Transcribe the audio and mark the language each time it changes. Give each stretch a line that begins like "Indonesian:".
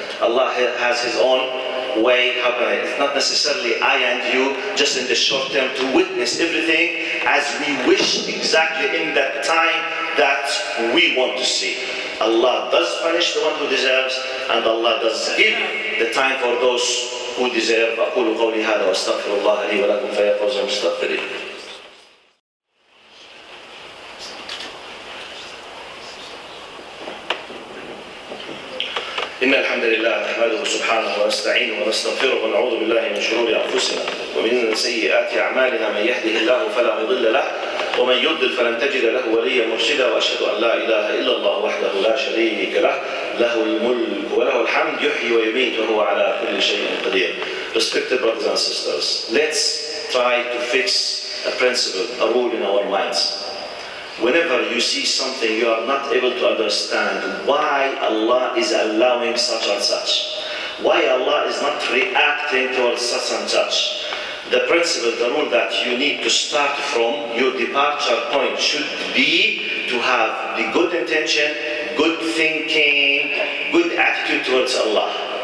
English: Allah has His own way happening. It's not necessarily I and you, just in the short term, to witness everything as we wish, exactly in that time that we want to see. Allah does punish the one who deserves, and Allah does give the time for those who deserve.
Arabic: أقول قولي هذا واستغفر الله لي ولكم فيا فوز المستغفرين. إن الحمد لله نحمده سبحانه ونستعينه ونستغفره ونعوذ بالله من شرور أنفسنا ومن سيئات أعمالنا. من يهده الله فلا مضل له ومن يضلل فلن تجد له وليا مرشدا. وأشهد أن لا إله إلا الله وحده لا شريك له, له الملك وله الحمد يحيي ويميت وهو على كل شيء قدير.
English: Respected brothers and sisters, let's try to fix a principle, a rule in our minds. Whenever you see something you are not able to understand, why Allah is allowing such and such, why Allah is not reacting towards such and such, the principle, the rule that you need to start from, your departure point should be to have the good intention, good thinking, good attitude towards Allah.